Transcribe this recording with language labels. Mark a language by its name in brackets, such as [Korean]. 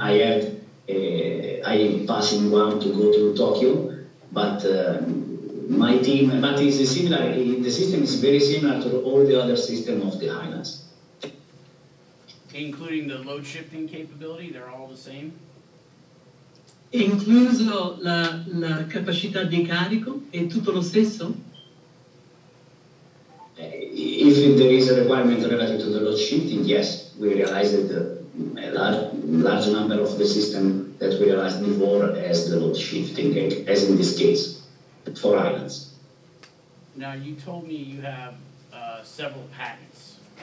[English] I passed in Guam to go to Tokyo, but my team, but it's similar, the system is very similar to all the other systems of the islands. Including the load shifting capability, they're all the same? [Italian] Incluso la capacità di carico, è tutto lo stesso? [English] If there is a requirement relative to the load shifting, yes, we realize that a large number of the system that we realized before as the load shifting, as in this case, for islands. Now, you told me you have several patents.